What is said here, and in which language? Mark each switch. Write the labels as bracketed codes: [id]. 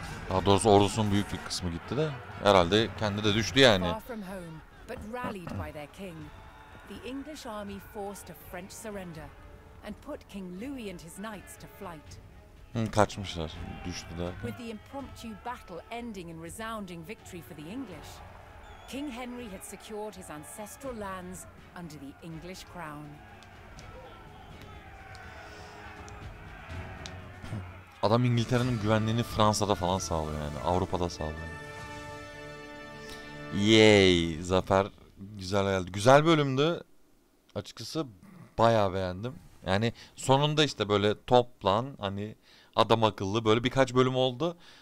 [tr] Daha doğrusu ordusunun büyük bir kısmı gitti de herhalde kendi de düştü yani. [en] Home, but rallied by their king, the English army forced a French surrender and put King Louis and his knights to flight. [tr] Kaçmışlar, düştü de. [en] With the impromptu battle ending in resounding victory for the English, King Henry had secured his ancestral lands under the English crown. [tr] Adam İngiltere'nin güvenliğini Fransa'da falan sağlıyor yani. Avrupa'da sağlıyor. Yay! Zafer güzel geldi. Güzel bölümdü. Açıkçası bayağı beğendim. Yani sonunda işte böyle toplan hani adam akıllı böyle birkaç bölüm oldu.